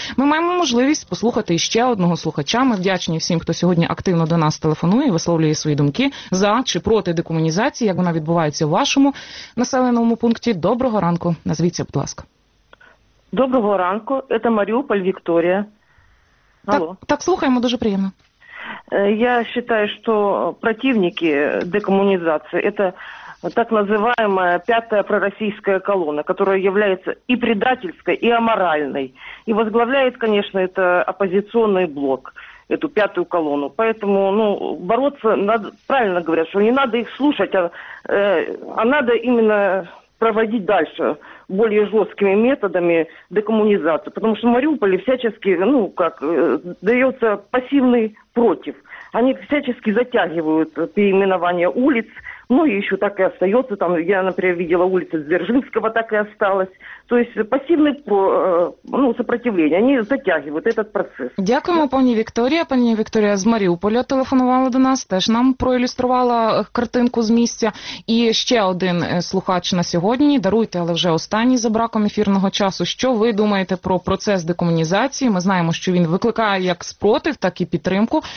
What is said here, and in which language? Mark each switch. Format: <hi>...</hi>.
<uk>Ми маємо можливість послухати ще одного слухача. Ми вдячні всім, хто сьогодні активно до нас телефонує і висловлює свої думки за чи проти декомунізації, як вона відбувається в вашому населеному пункті. Доброго ранку. Назвіться, будь ласка. Доброго ранку. Це Маріуполь, Вікторія. Алло. Так, слухаємо, дуже приємно.</uk> <ru>Я считаю, что противники декоммунизации – это так называемая пятая пророссийская колонна, которая является и предательской, и аморальной. И возглавляет, конечно, это оппозиционный блок. эту пятую колонну. Поэтому, ну, бороться надо, правильно говорят, что не надо их слушать, а надо именно проводить дальше более жесткими методами декоммунизацию. Потому что в Мариуполе всячески, ну, как, дается пассивный против. Они всячески затягивают переименование улиц, ну, и еще так и остается. Там, я, например, видела улицу Дзержинского, так и осталось. То есть пассивное сопротивление, они затягивают этот процесс.</ru> <uk>Дякуємо, пані Вікторія. Пані Вікторія з Маріуполя телефонувала до нас, теж нам проілюструвала картинку з місця. І ще один слухач на сьогодні, даруйте, але вже останній за браком ефірного часу. Що ви думаєте про процес декомунізації? Ми знаємо, що він викликає як спротив, так і підтримку.</uk>